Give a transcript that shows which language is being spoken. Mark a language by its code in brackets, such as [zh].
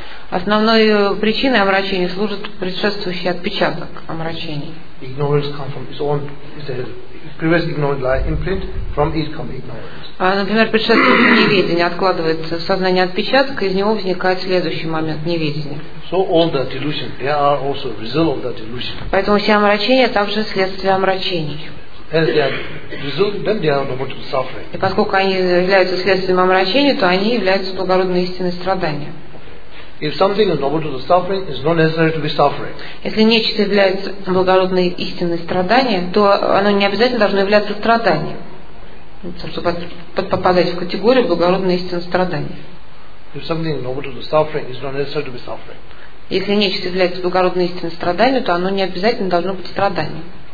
[ru] Основной причиной омрачения служит предшествующий отпечаток омрачения. Например, предшествующее неведение откладывается в сознание отпечаток, и из него возникает следующий момент неведения. [en] So all the delusion, they are also result of that delusion. [ru] Поэтому все омрачения также следствие омрачений. [en] As they are result, then they are number two suffering. [ru] И поскольку они являются следствием омрачения, то они являются благородной истиной страдания. [en] If something is number two the suffering, it's not necessary to be suffering. [ru] Если нечто является благородной истиной страдания, то оно не обязательно должно являться страданием, чтобы попадать в категорию благородной истины страдания. [en] If something is number two the suffering, it's not necessary to be suffering. [ru] Если нечто является благородной истиной страдания, то оно не обязательно должно быть страданием.